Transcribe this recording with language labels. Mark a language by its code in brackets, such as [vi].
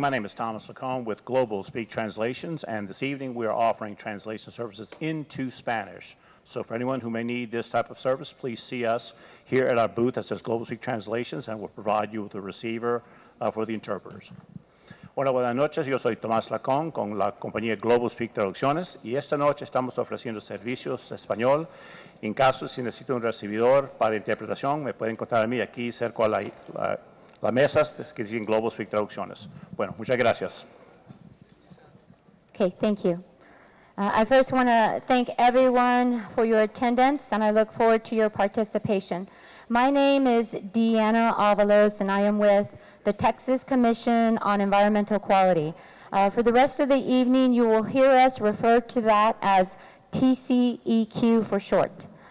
[en] My name is Thomas Lacombe with Global Speak Translations, and this evening we are offering translation services into Spanish. So for anyone who may need this type of service, please see us here at our booth that says Global Speak Translations, and we'll provide you with a receiver for the interpreters. [es] Hola, buenas noches. Yo soy Tomás Lacón con la compañía Global Speak Traducciones, y esta noche estamos ofreciendo servicios de español. En caso si necesito un recibidor para interpretación, me pueden contar a mí aquí cerca a la mesa que dicen Global Speak Traducciones. Bueno, muchas gracias. [en] Okay, thank you. I first want to thank everyone for your attendance, and I look forward to your participation. My name is Deanna Avalos, and I am with the Texas Commission on Environmental Quality. For the rest of the evening, you will hear us refer to that as TCEQ for short.